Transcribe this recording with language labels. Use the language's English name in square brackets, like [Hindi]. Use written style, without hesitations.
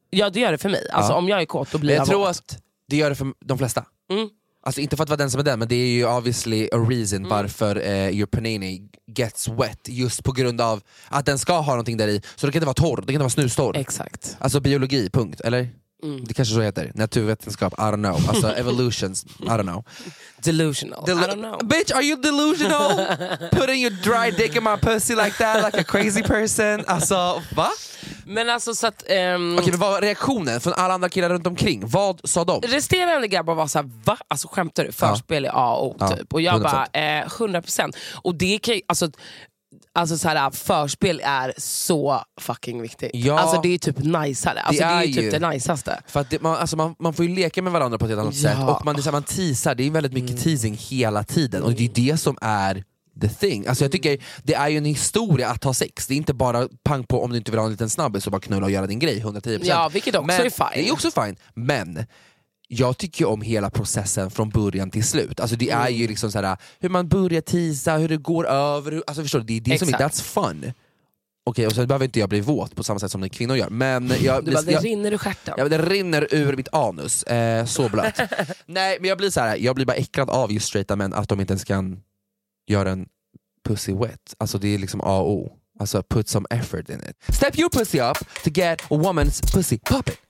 [Swedish] Ja, det gör det för mig. Alltså om jag är kåt, då blir jag våt. Jag tror att det gör det för de flesta. Mm. Alltså inte för att vara den som är den, men det är ju [English] obviously a reason [Swedish] varför [English] your panini gets wet. [Swedish] Just på grund av att den ska ha någonting där i. Så det kan inte vara torr, det kan inte vara snustorr. Exakt. Alltså biologi, punkt, eller? Mm. Det kanske så heter. Naturvetenskap, [English] I don't know. [Swedish] Alltså evolutions, I don't know. [English] Delusional, I don't know. Bitch, are you delusional? Putting your dry dick in my pussy like that, like a crazy person. [Swedish] Alltså, va? Men alltså så att okej, men vad var reaktionen från alla andra killar runt omkring? Vad sa de? Resterande grabbar var såhär, va? Alltså skämtar du? Förspel i A och O typ. Och jag 100%. Bara, 100%. Och det kan ju, alltså så här, förspel är så fucking viktigt. Ja, alltså det är typ najsare. Alltså det är ju typ det najsaste. För att det, man, alltså man får ju leka med varandra på ett annat sätt. Och man, det är så här, man teasar, det är väldigt mycket teasing hela tiden. Och det är det som är [English] the thing. [Swedish] Alltså jag tycker det är ju en historia att ha sex. Det är inte bara pang på om du inte vill ha en liten snabbis så bara knulla och göra din grej 110%. Ja, vilket också men, är fine. Det är också fine. Men jag tycker ju om hela processen från början till slut. Alltså det är ju liksom så här hur man börjar tisa, hur det går över, hur, alltså förstår du, det är det exakt. Som är [English] that's fun. [Swedish] Okej, och sen behöver inte jag bli våt på samma sätt som en kvinna gör. Men jag, du bara, det rinner ur stjärten. Ja, det rinner ur mitt anus, så blött. Nej, men jag blir så här, jag blir bara äcklad av just straighta män att de inte ens kan göra en [English] pussy wet. [Swedish] Alltså det är liksom A och O. [English] Alltså put some effort in it. Step your pussy up to get a woman's pussy popping.